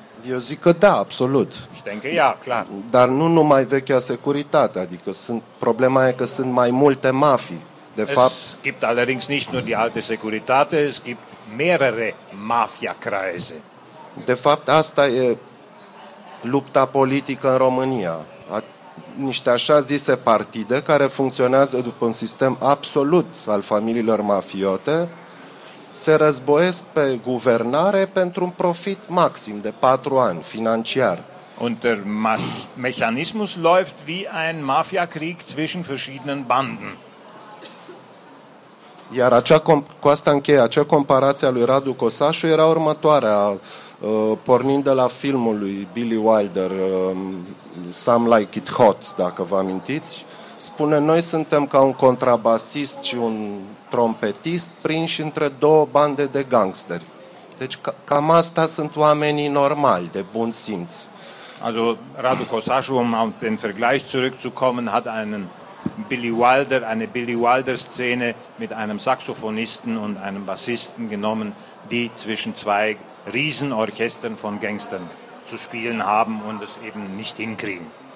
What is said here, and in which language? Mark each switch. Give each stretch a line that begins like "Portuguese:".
Romanian: Eu zic că da, absolut.
German: Ich denke, ja,
Romanian: clar. Dar nu numai vechea securitate, adică sunt, problema e că sunt mai multe mafii. De fapt,
German: es gibt allerdings nicht nur die alte Securitate, es gibt mehrere Mafia-Kreise.
Romanian: De fapt, asta e lupta politică în România. Niște așa zise partide care funcționează după un sistem absolut al familiilor mafiote, se războiesc pe guvernare pentru un profit maxim de 4 ani financiar.
German: Und der Mechanismus läuft wie ein Mafiakrieg zwischen verschiedenen Banden.
Romanian: Iar acea comparație a lui Radu Cosașu era următoarea, pornind de la filmul lui Billy Wilder, Some Like It Hot, dacă vă amintiți, spune, noi suntem ca un contrabasist și un trompetist prinși între două bande de gangsteri. Deci cam asta sunt oamenii normali, de bun simț.
German: Also Radu Cosașu, um auf den Vergleich zurückzukommen, hat einen Billy Wilder, eine Billy Wilder-Szene mit einem Saxophonisten und einem Bassisten genommen, die zwischen zwei Riesenorchestern von Gangstern zu spielen haben und es eben nicht hinkriegen.